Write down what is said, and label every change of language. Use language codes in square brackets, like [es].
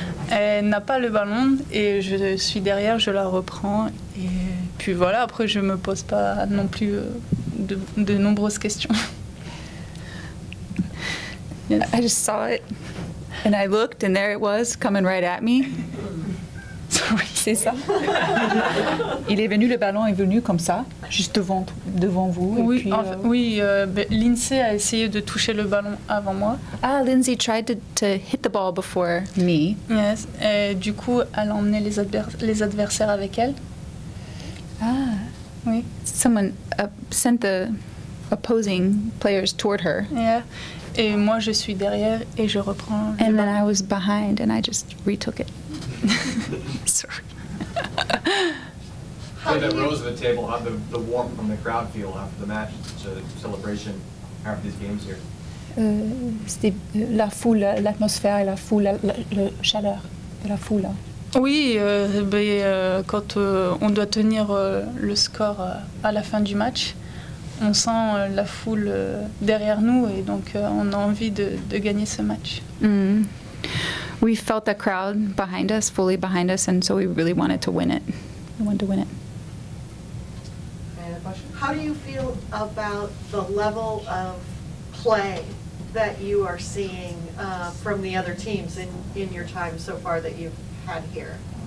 [fr] Elle n'a pas le ballon et je suis derrière, je la reprends. Et puis voilà, après je ne me pose pas non plus... De nombreuses questions. [en] Yes. I just saw it and I looked and there it was coming right at me. Sorry, [fr] c'est ça. Il est venu, le ballon est venu comme ça, juste devant vous. Oui, et puis, Lindsay a essayé de toucher le ballon avant moi. [en] Ah, Lindsay tried to hit the ball before me. [fr] Yes, et du coup, elle a emmené les adversaires avec elle. Ah. Oui. [en] Someone sent the opposing players toward her. Yeah. [fr] Et moi, je suis derrière et je reprends. [en] And then I was behind and I just retook it. Sorry. Hey, that rose at the table, how the warmth from the crowd feel after the match, such a celebration after these games here? [fr] C'était la foule, l'atmosphère et la foule, la chaleur de la foule. Oui, quand on doit tenir le score à la fin du match, on sent la foule derrière nous et donc on a envie de gagner ce match. Mm. [en] We felt the crowd behind us, fully behind us, and so we really wanted to win it. We wanted to win it. How do you feel about the level of play that you are seeing from the other teams in your time so far that you've had here?